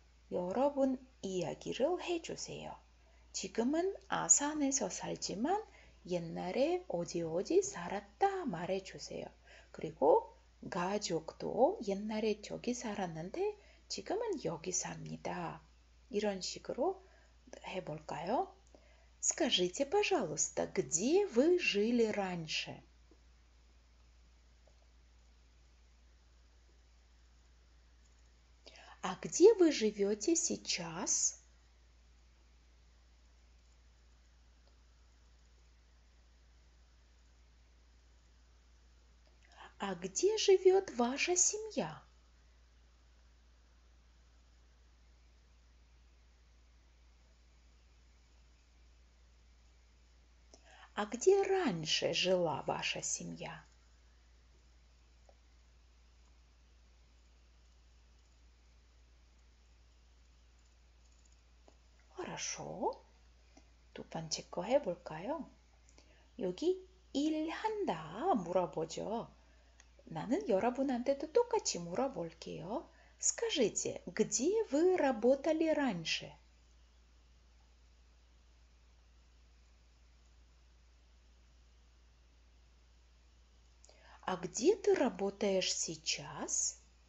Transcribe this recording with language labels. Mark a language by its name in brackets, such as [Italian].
[Korean] 여러분 이야기를 해주세요. 지금은 아산에서 살지만 옛날에 어디 어디 살았다 말해주세요. 그리고 가족도 옛날에 저기 살았는데 지금은 여기 삽니다. 이런 식으로 해볼까요? [Russian] Скажите, пожалуйста, где вы жили раньше? 아, где вы живете сейчас? 아, где живет ваша семья? 아, где раньше жила ваша семья? [Korean] 두 번째 거 해볼까요? 여기 일한다 물어보죠. 나는 여러분한테도 똑같이 물어볼게요. [Russian] Скажите, где вы работали раньше? 아, где ты работаешь сейчас?